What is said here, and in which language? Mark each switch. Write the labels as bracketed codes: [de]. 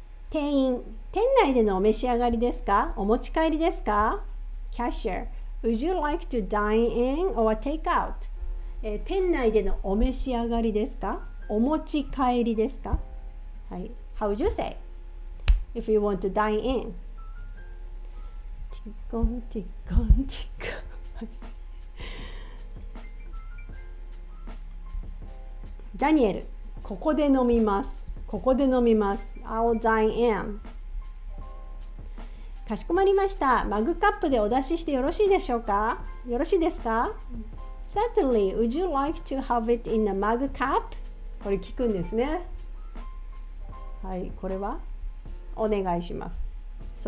[ja] 店員、店内でのお召し上がりですか？お持ち帰りですか？ [en] Cashier. Would you like to dine in or take out? [ja] 店内でのお召し上がりですか？お持ち帰りですか？はい。 [en] How would you say? If you want to dine in. ティコンティコンティコン。 [ja] ダニエル、ここで飲みます。ここで飲みます。 [en] I'll dine in. [ja] かしこまりました。マグカップでお出ししてよろしいでしょうか？よろしいですか？ [en] Certainly, would you like to have it in a mug cup? [ja] これ聞くんですね。はい、これはお願いします。